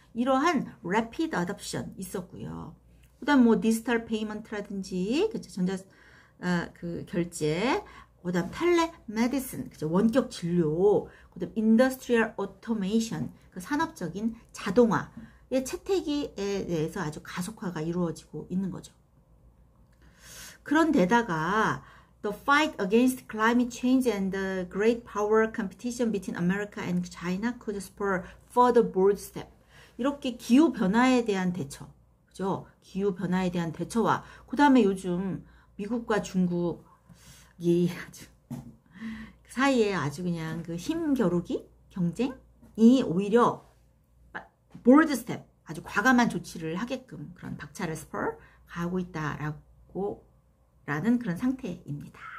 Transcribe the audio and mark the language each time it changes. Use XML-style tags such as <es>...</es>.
<ko>이러한 래피드 어답션 있었고요. 그다음 뭐 디지털 페이먼트라든지 그쵸? 전자 그 결제, 그다음 텔레 메디슨 그쵸? 원격 진료, 그다음 인더스트리얼 오토메이션 그 산업적인 자동화 채택에 대해서 아주 가속화가 이루어지고 있는 거죠. 그런데다가</ko> <en>The fight against climate change and the great power competition between America and China could spur further bold step.</en> <ko>이렇게 기후 변화에 대한 대처, 그죠? 기후 변화에 대한 대처와 그 다음에 요즘 미국과 중국이 사이에 아주 그냥 그힘 겨루기 경쟁이 오히려 bold step, 아주 과감한 조치를 하게끔 그런 박차를 spur 가고 있다라는 그런 상태입니다.</ko>